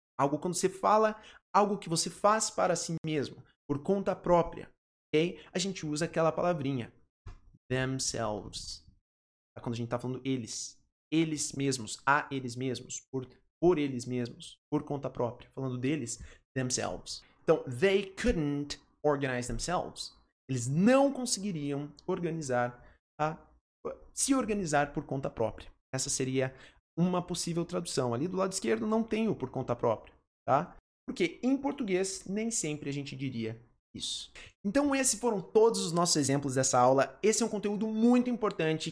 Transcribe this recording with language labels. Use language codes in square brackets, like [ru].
[pt] Algo quando você fala, algo que você faz para si mesmo. Por conta própria. Ok? A gente usa aquela palavrinha. Themselves. Tá? Quando a gente tá falando eles. eles mesmos, a eles mesmos, por eles mesmos, por conta própria. Falando deles, themselves. Então, [en] they couldn't organize themselves. [pt] Eles não conseguiriam organizar, se organizar por conta própria. Essa seria uma possível tradução. Ali do lado esquerdo não tem o por conta própria, tá? Porque em português nem sempre a gente diria isso. Então esses foram todos os nossos exemplos dessa aula. Esse é um conteúdo muito importante.